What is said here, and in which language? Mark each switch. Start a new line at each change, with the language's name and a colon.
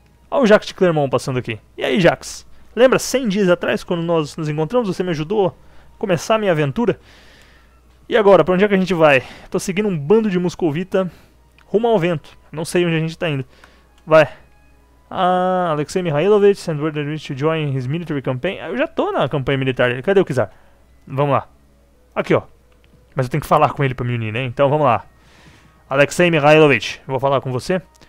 Portuguese: Olha o Jax de Clermont passando aqui. E aí, Jax? Lembra 100 dias atrás, quando nós nos encontramos, você me ajudou a começar a minha aventura? E agora, pra onde é que a gente vai? Tô seguindo um bando de Muscovita rumo ao vento. Não sei onde a gente tá indo. Vai.
English: Ah, Alexei Mihailovich sent word to join his military campaign.
Portuguese: Eu já tô na campanha militar dele. Cadê o Kizar? Vamos lá. Aqui, ó. Mas eu tenho que falar com ele pra me unir, né? Então, vamos lá. Alexei Mihailovich, vou falar com você.